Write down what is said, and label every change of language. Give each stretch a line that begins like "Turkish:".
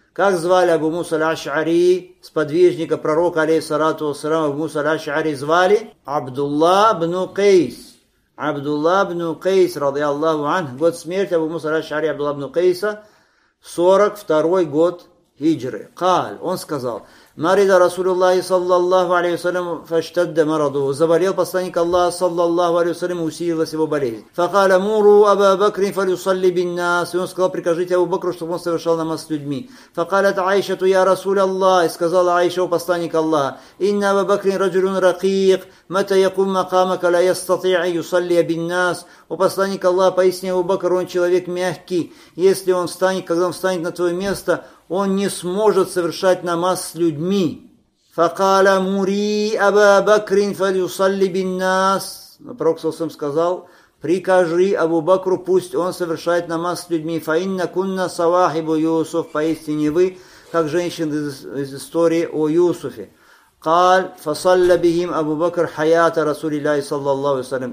Russian: Как звали Абу Муса аль-Ашари, сподвижника пророка, алейхиссалату вассалям, Абу Муса аль-Ашари звали? Абдулла ибн Кейс. Абдулла ибн Кейс, ради Аллаху анх. Год смерти Абу Муса аль-Ашари, Абдулла ибн Кейса, 42 год хиджры. Каль, он сказал,
Arabic: مرض رسول الله صلى الله عليه وسلم فاشتد مرضه.
Russian: Заболел посланник Аллаха
Arabic: صلى الله عليه وسلم,
Russian: усилилась его болезнь.
Arabic: فقال مروا أبا بكر فليصلي بالناس.
Russian: И он сказал, прикажите Абу Бакру, чтобы он совершал намаз с людьми.
Arabic: فقالت عائشة يا رسول الله.
Russian: И сказала Аиша, у посланника Аллаха,
Arabic: إن أبا بكر رجل رقيق متى يقوم مقامك لا يستطيع يصلي بالناس.
Russian: У посланника Аллаха, поистине Абу Бакр, он человек мягкий. Если он встанет, когда он встанет на твое место, он не сможет совершать намаз с людьми.
Arabic: فقال مري أبا بكر فليصلي بالناس.
Russian: Пророк Саусам сказал, прикажи Абу Бакру, пусть он совершает намаз с людьми.
Arabic: فَإِنَّ كُنَّ صَوَاحِبُ يُوسُفُ.
Russian: Поистине вы, как женщины из истории о Юсуфе.
Arabic: قال فَصَلَّ بِهِمْ أَبُو بَكْرُ حَيَاةَ رَسُولِ اللَّهِ صَلَّى اللَّهُ وَسَلَّمُ.